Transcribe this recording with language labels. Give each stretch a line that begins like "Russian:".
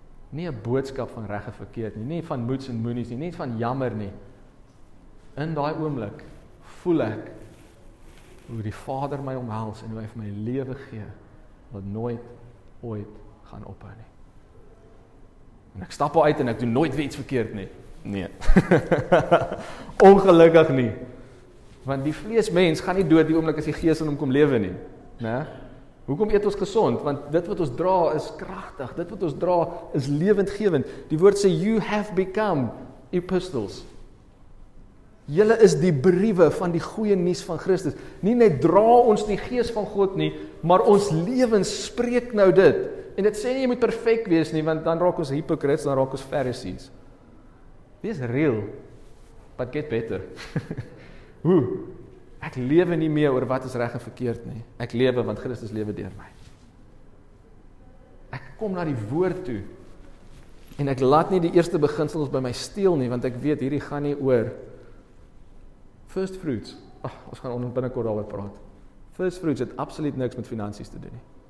Afrikaans: Nie 'n boodskap van reg en verkeerd nie, nie van moeds en moenies nie, nie van jammer nie. In daai oomblik voel ek hoe die Vader my omhels en hoe hy vir my lewe gee wat nooit ooit gaan ophou nie. En ek stap al uit en ek doen nooit weer iets verkeerd nie. Nee. Ongelukkig nie. Want die vleesmens gaan nie dood die oomblik as die gees in hom kom lewe nie. Né? Hoekom eet ons gesond? Want dit wat ons dra is kragtig. Dit wat ons dra is lewendgewend. Die woord sê
English: you have become epistles.
Afrikaans: Julle is die briewe van die goeie nuus van Christus. Nie net dra ons die gees van God nie, maar ons lewens spreek nou dit. En dit sê nie jy moet perfek wees nie, want dan raak ons hypocrites, dan raak ons Pharisees. Wees real,
English: but get better.
Afrikaans: Hoe? Ek lewe nie meer oor wat is reg en verkeerd nie. Ek lewe, want Christus lewe deur my. Ek kom na die woord toe, en ek laat nie die eerste beginsels by my steel nie, want ek weet, hierdie gaan nie oor first fruits. Ach, ons gaan binnenkort daar oor praat. First fruits het absoluut niks met finansies te doen nie.